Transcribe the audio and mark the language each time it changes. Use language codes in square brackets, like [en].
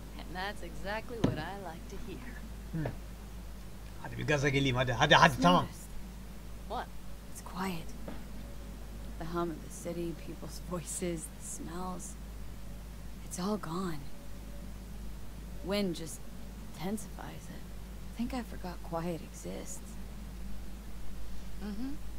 [en] And that's exactly what I like to hear. [tr] Hadi bir gaza geleyim, hadi tamam. [en] What? It's quiet. The hum of the city, people's voices, the smells. It's all gone. Wind just intensifies it. I think I forgot quiet exists. Mm-hmm.